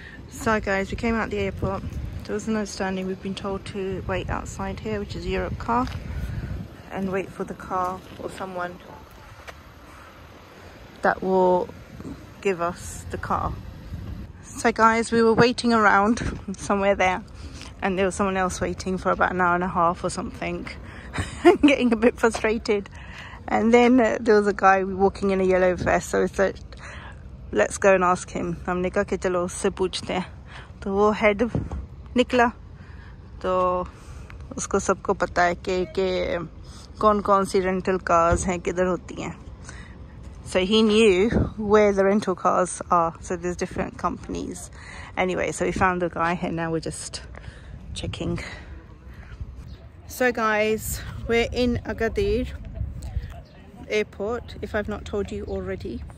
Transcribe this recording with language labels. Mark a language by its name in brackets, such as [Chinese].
[English] So guys, we came out the airport. There was no standing. We've been told to wait outside here, which is Europe car, and wait for the car or someone that will give us the car. So guys, we were waiting around somewhere there, and there was someone else waiting for about 1.5 hours or something, getting a bit frustrated. And then there was a guy walking in a yellow vest. So we said, let's go and ask him. [Hindi] I'm निका के चलो उससे पूछते हैं. तो वो head निकला तो उसको सबको पता है कि कौन-कौन सी रेंटल कार्स हैं किधर होती हैं. [English] So he knew where the rental cars are. So there's different companies. Anyway, so we found the guy and now we're just checking. So guys, we're in Agadir Airport, if I've not told you already.